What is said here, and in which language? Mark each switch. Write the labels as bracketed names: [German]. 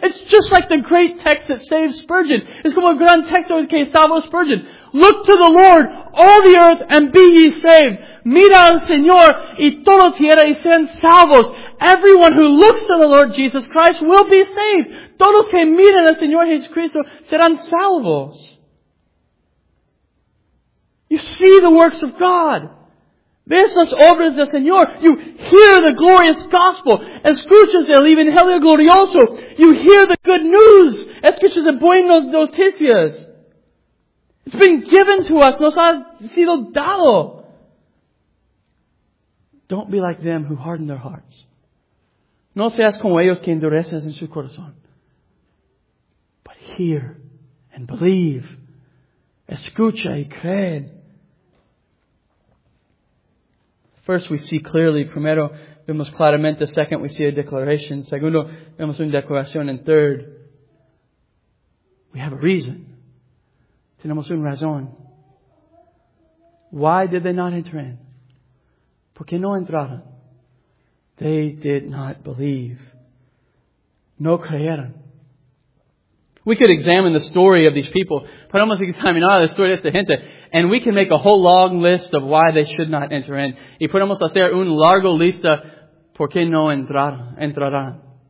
[English] It's just like the great text that saves Spurgeon. [Spanish] Es como el gran texto que salvó Spurgeon. [English] Look to the Lord, all the earth, and be ye saved. [Spanish] Mira al Señor y toda tierra y sean salvos. [English] Everyone who looks to the Lord Jesus Christ will be saved. [Spanish] Todos que miran al Señor Jesucristo serán salvos. [English] You see the works of God. [Spanish] Ves las obras del Señor. [English] You hear the glorious gospel. [Spanish] Escuchas el Evangelio glorioso. [English] You hear the good news. [Spanish] Escuchas el buenas noticias. [English] It's been given to us. [Spanish] Nos ha sido dado. [English] Don't be like them who harden their hearts. [Spanish] No seas como ellos que endureces en su corazón. [English] But hear and believe. [Spanish] Escucha y creed. [English] First, we see clearly. [Spanish] Primero, vemos claramente. [English] Second, we see a declaration. [Spanish] Segundo, vemos una declaración. [English] And third, we have a reason. [Spanish] Tenemos una razón. [English] Why did they not enter in? [Spanish] ¿Por qué no entraron? [English] They did not believe. [Spanish] No creyeron. [English] We could examine the story of these people. [Spanish] Podemos examinar la historia de esta gente. [English] And we can make a whole long list of why they should not enter in. [Spanish] Y podemos hacer una larga lista por qué no entrarán.